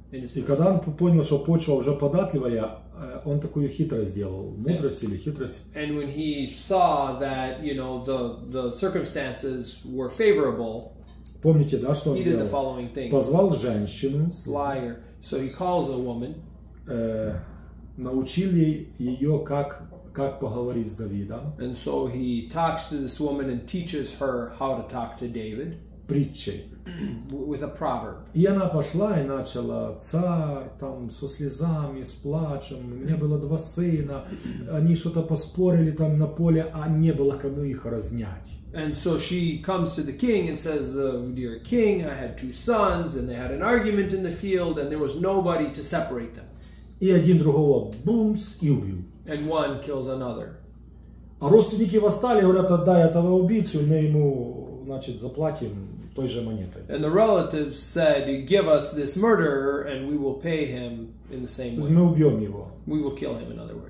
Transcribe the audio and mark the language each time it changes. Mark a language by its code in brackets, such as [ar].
[ru] И когда он понял, что почва уже податливая, он такую хитрость сделал. Мудрость или хитрость? [en] And when he saw that, you know, the circumstances were favorable, [ru] помните, да, что он сделал? [en] He did the following thing. [ru] Позвал женщину. [en] Slayer. So he calls a woman. [ru] Научили ее, как поговорить с Давидом. [en] And so he talks to this woman and teaches her how to talk to David. [ru] Притчей. [en] With a proverb. [ru] И она пошла и начала: царь там со слезами, с плачем, у меня было два сына, они что-то поспорили там на поле, а не было кому их разнять. [en] And so she comes to the king and says, dear king, I had two sons and they had an argument in the field and there was nobody to separate them. [ru] И один другого бумс и убил. [en] And one kills another. [ru] А родственники восстали, говорят: отдай этого убийцу, мы ему, значит, заплатим той же монетой. [en] And the relatives said, give us this murderer and we will pay him in the same way. [ru] Мы убьем его. [en] We will kill him, in other words.